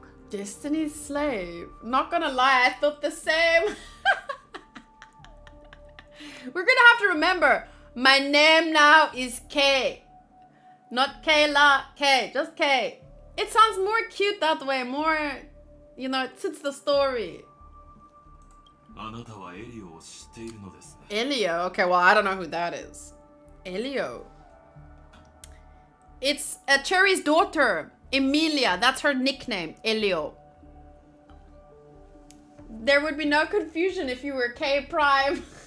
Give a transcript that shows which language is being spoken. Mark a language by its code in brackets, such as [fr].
[en] Destiny's slave. Not gonna lie, I thought the same. We're gonna have to remember, my name now is K. Not Kayla, K, just K. It sounds more cute that way, more, you know, it suits the story. [ja] あなたはエリオを知っているのですね。エリオ? [en] Okay, well, I don't know who that is. エリオ?It's a Cherry's daughter, Emilia. That's her nickname, エリオ. There would be no confusion if you were K Prime.